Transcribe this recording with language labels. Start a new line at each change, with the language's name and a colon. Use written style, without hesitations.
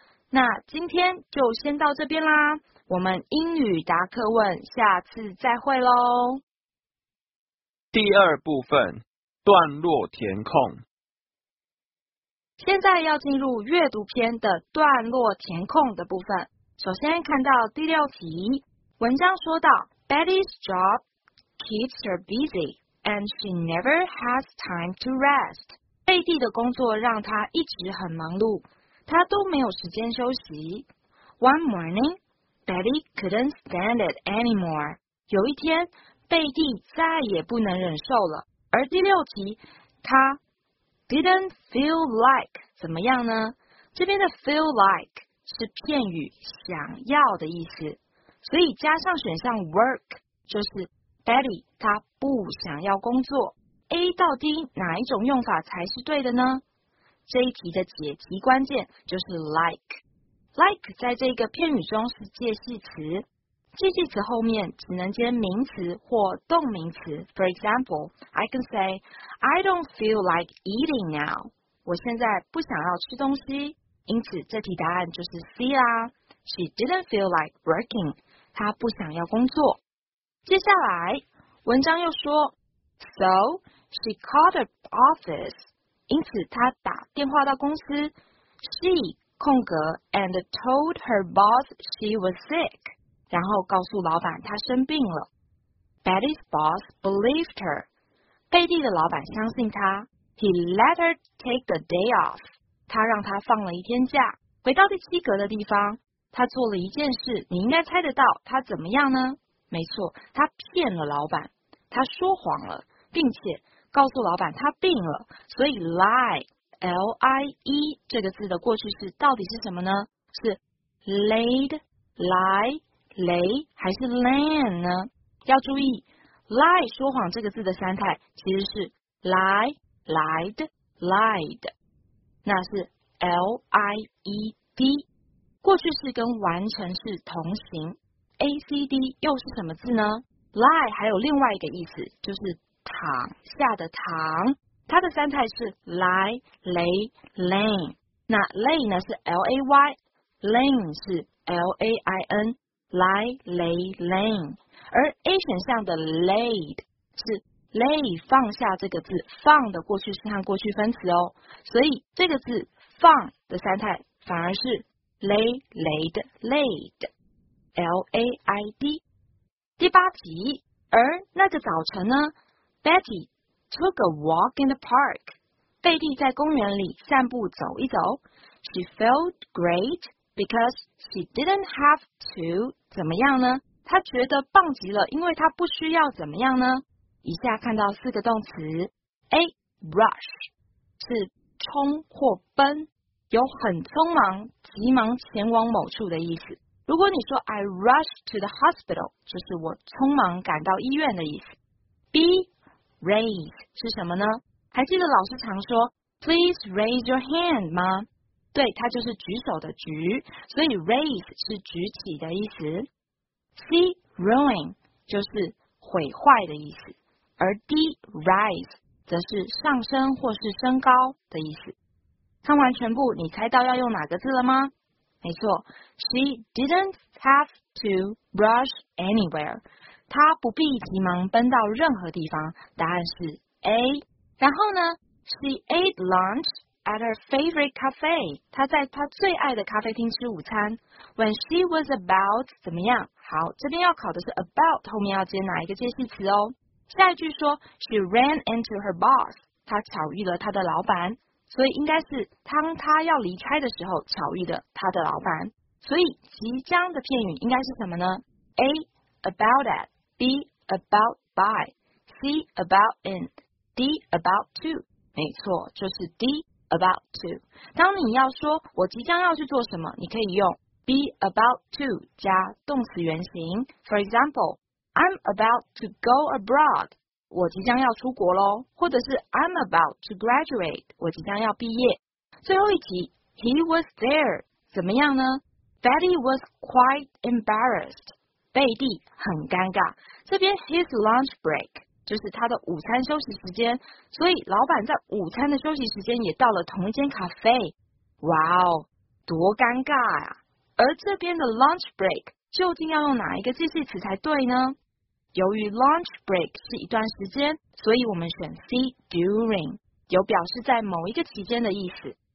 Chinese: 那今天就先到这边啦，我们英语答客问下次再会咯。第二部分，段落填空。现在要进入阅读篇的段落填空的部分。首先看到第六题，文章说到
English: Betty's job keeps her busy and she never has time to rest。
Chinese: 贝蒂的工作让她一直很忙碌，她都没有时间休息。
English: One morning Betty couldn't stand it anymore。
Chinese: 有一天贝蒂再也不能忍受了。而第六题，他
English: didn't feel like
Chinese: 怎么样呢？这边的 feel like 是片语想要的意思，所以加上选项 work 就是 Betty 他不想要工作。 A 到 D 哪一种用法才是对的呢？这一题的解题关键就是 like。 like 在这个片语中是介系词，介系词后面只能接名词或动名词。
English: For example, I can say I don't feel like eating now，
Chinese: 我现在不想要吃东西。因此这题答案就是 C 啦，
English: She didn't feel like working，
Chinese: 她不想要工作。接下来文章又说，
English: So she called her office，
Chinese: 因此她打电话到公司。
English: She 空格 and told her boss she was sick，
Chinese: 然后告诉老板他生病了。
English: Betty's boss believed her，
Chinese: 贝蒂的老板相信他。
English: He let her take the day off，
Chinese: 他让他放了一天假。回到第七格的地方，他做了一件事，你应该猜得到他怎么样呢？没错，他骗了老板，他说谎了，并且告诉老板他病了。所以 lie L-I-E 这个字的过去式到底是什么呢？是 laid lieLay 还是 lan 呢？要注意 lie 说谎这个字的三态其实是 lie lied lied， 那是 lied， 过去式跟完成式同形。 acd 又是什么字呢？lie 还有另外一个意思，就是躺下的躺，它的三态是 lie lay lan。那 lay 呢是 lay， lan 是 lain，lie lay lain。而 A 选项的 laid 是 lay 放下这个字，放的过去式和过去分词哦，所以这个字放的三态反而是 lay laid laid L-A-I-D。第八题，而那个早晨呢，
English: Betty took a walk in the park，
Chinese: 贝蒂在公园里散步走一走。
English: She felt great because she didn't have to
Chinese: 怎么样呢？他觉得棒极了，因为他不需要怎么样呢？以下看到四个动词 ，A rush 是冲或奔，有很匆忙、急忙前往某处的意思。如果你说
English: I rush to the hospital，
Chinese: 就是我匆忙赶到医院的意思。 B raise 是什么呢？还记得老师常说
English: Please raise your hand
Chinese: 吗？对，它就是举手的举，所以 raise 是举起的意思。 C ruin 就是毁坏的意思，而 D rise 则是上升或是升高的意思。看完全部，你猜到要用哪个字了吗？没错，
English: She didn't have to rush anywhere，
Chinese: 她不必急忙奔到任何地方，答案是 A。
English: 然后呢， She ate lunchAt her favorite cafe，
Chinese: 她在她最爱的咖啡厅吃午餐。
English: When she was about
Chinese: 怎么样？好，这边要考的是 about 后面要接哪一个介系词哦。下一句说
English: She ran into her boss，
Chinese: 她巧遇了她的老板，所以应该是当她要离开的时候巧遇了她的老板。所以即将的片语应该是什么呢？ A about at， B about by， C about in， D about to。没错，就是 D about to。当你要说我即将要去做什么，你可以用 be about to 加动词原形。
English: For example， I'm about to go abroad，
Chinese: 我即将要出国咯。或者是
English: I'm about to graduate，
Chinese: 我即将要毕业。最后一题，
English: He was there，
Chinese: 怎么样呢？
English: Betty was quite embarrassed，
Chinese: 贝蒂很尴尬。这边 his lunch break 就是他的午餐休息时间，所以老板在午餐的休息时间也到了同一间咖啡。哇哦，多尴尬啊。而这边的 lunch break 究竟要用哪一个介系词才对呢？由于 lunch break 是一段时间，所以我们选 C during， 有表示在某一个期间的意思。